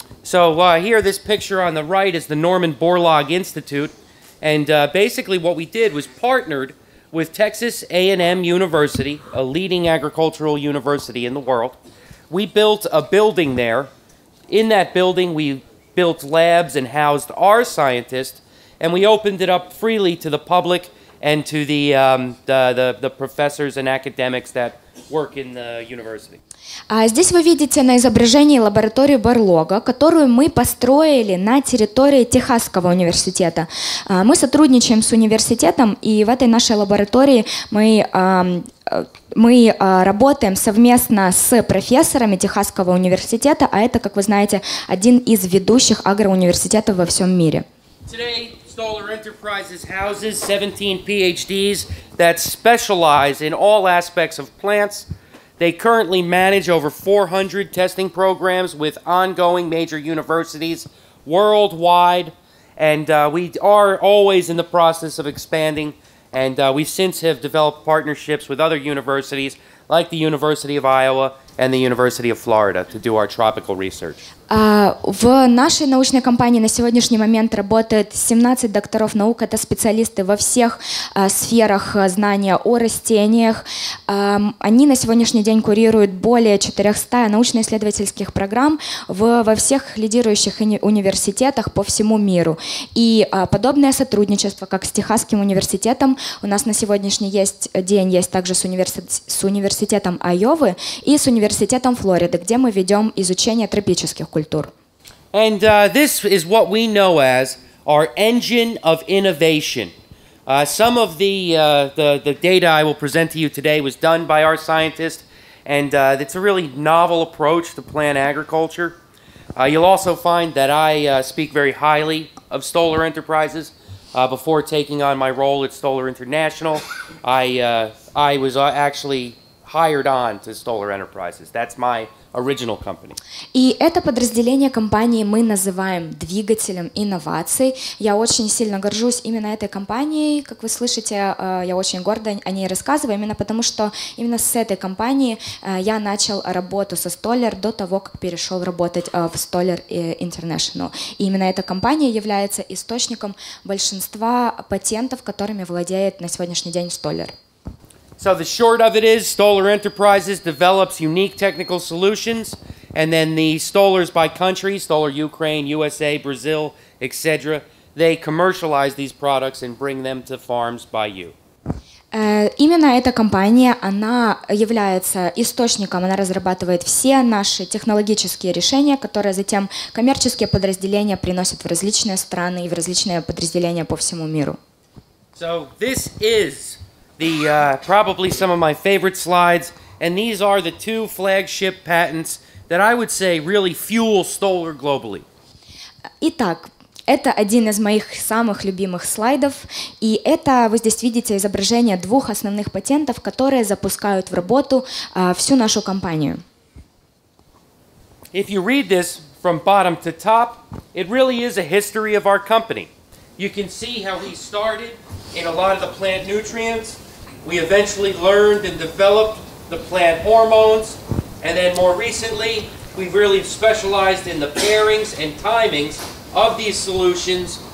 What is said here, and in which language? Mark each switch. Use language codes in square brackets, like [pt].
[en] So here, this picture on the right is the Norman Borlaug Institute. And basically what we did was partnered with Texas A&M University, a leading agricultural university in the world. We built a building there. In that building, we built labs and housed our scientists, and we opened it up freely to the public and to the professors and academics that work in the university. [ru] Здесь вы видите на изображении лабораторию Барлога, которую мы построили на территории Техасского университета. Мы сотрудничаем с университетом, и в этой нашей лаборатории мы работаем совместно с профессорами Техасского университета, а это, как вы знаете, один из ведущих агроуниверситетов во всем мире. [en] Today, Stoller Enterprises houses 17 PhDs that specialize in all aspects of plants. They currently manage over 400 testing programs with ongoing major universities worldwide, and we are always in the process of expanding, and we since have developed partnerships with other universities like the University of Iowa and the University of Florida to do our tropical research. [ru] В нашей научной компании на сегодняшний момент работает 17 докторов наук, это специалисты во всех сферах знания о растениях. Они на сегодняшний день курируют более 400 научно-исследовательских программ во всех лидирующих университетах по всему миру. И подобное сотрудничество, как с Техасским университетом, у нас на сегодняшний день есть также с университетом Айовы и с университетом Флориды, где мы ведем изучение тропических культур. [en] And this is what we know as our engine of innovation. Some of the data I will present to you today was done by our scientists, and it's a really novel approach to plant agriculture. You'll also find that I speak very highly of Stoller Enterprises. Before taking on my role at Stoller International, I was actually hired on to Stoller Enterprises. That's my original company. [ru] И это подразделение компании мы называем двигателем инноваций. Я очень сильно горжусь именно этой компанией. Как вы слышите, я очень гордо о ней рассказываю, именно потому что именно с этой компании я начал работу со Stoller до того, как перешел работать в Stoller International. И именно эта компания является источником большинства патентов, которыми владеет на сегодняшний день Stoller. [en] So the short of it is, Stoller Enterprises develops unique technical solutions, and then the Stollers by country, Stoller Ukraine, USA, Brazil, etc., they commercialize these products and bring them to farms by you. [ru] Именно эта компания, она является источником, она разрабатывает все наши технологические решения, которые затем коммерческие подразделения приносят в различные страны и в различные подразделения по всему миру. [en] So this is the probably some of my favorite slides, and these are the two flagship patents that I would say really fuel Stoller globally. [ru] Итак, это один из моих самых любимых слайдов, и это вы здесь видите изображение двух основных патентов, которые запускают в работу всю нашу компанию. [en] If you read this from bottom to top, it really is a history of our company. You can see how we started in a lot of the plant nutrients. We eventually learned and developed the plant hormones, and then more recently, we've really specialized in the pairings and timings of these solutions